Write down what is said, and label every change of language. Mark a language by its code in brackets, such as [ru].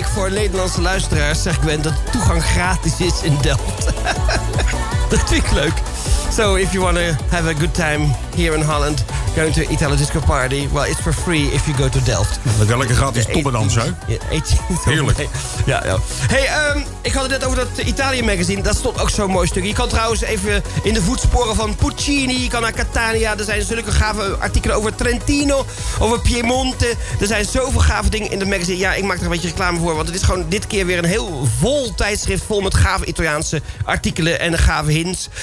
[nl] Nederlandse luisteraars, zeg Gwen, dat toegang gratis is in Delft. Dat vind ik leuk. [en] So if you want to have a good time here in Holland, going to Italo Disco Party, well, it's for free if you go to Delft. [nl] Dat is wel lekker gratis toppendans, hè? Heerlijk. Ja, ja. Hey, ik had het net over dat Italië magazine. Dat stond ook zo'n mooi stuk. Je kan trouwens even in de voetsporen van Puccini, je kan naar Catania. Er zijn zulke gave artikelen over Trentino, over Piemonte. Er zijn zoveel gave dingen in de magazine. Ja, ik maak er een beetje reclame voor, want het is gewoon dit keer weer een heel vol tijdschrift vol met gave Italiaanse artikelen en gave hints.